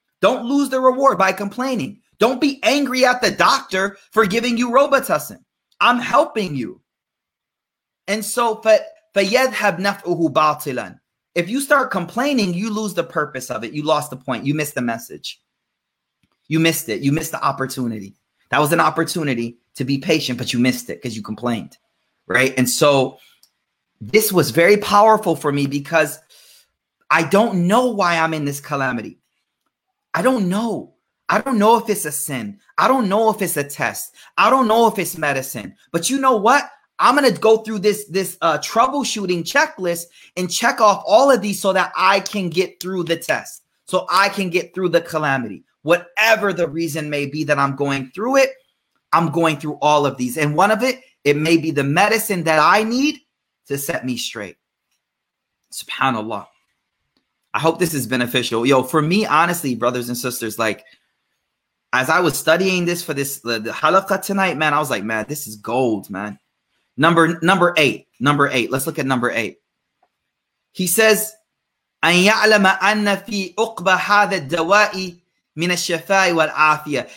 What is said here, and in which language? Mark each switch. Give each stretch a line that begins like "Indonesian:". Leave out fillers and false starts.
English: Don't lose the reward by complaining. Don't be angry at the doctor for giving you Robitussin. I'm helping you.
Arabic: And so, فَيَذْهَبْ نَفْءُهُ بَاطِلًا.
English: If you start complaining, you lose the purpose of it. You lost the point. You missed the message. You missed it. You missed the opportunity. That was an opportunity to be patient, but you missed it because you complained, right? And so this was very powerful for me because I don't know why I'm in this calamity. I don't know. I don't know if it's a sin. I don't know if it's a test. I don't know if it's medicine. But you know what? I'm going to go through this troubleshooting checklist and check off all of these so that I can get through the test, so I can get through the calamity. Whatever the reason may be that I'm going through it, I'm going through all of these. And one of it may be the medicine that I need to set me straight. SubhanAllah. I hope this is beneficial. Yo, for me, honestly, brothers and sisters, like, as I was studying this for this the halaqa tonight, man, I was like, man, this is gold, man. Number eight. Let's look at number eight. He says,
Arabic: أَنْ يَعْلَمَ أَنَّ فِي أُقْبَ هَذَا الدَّوَاءِ مِنَ الشَّفَاءِ وَالْعَافِيَةِ.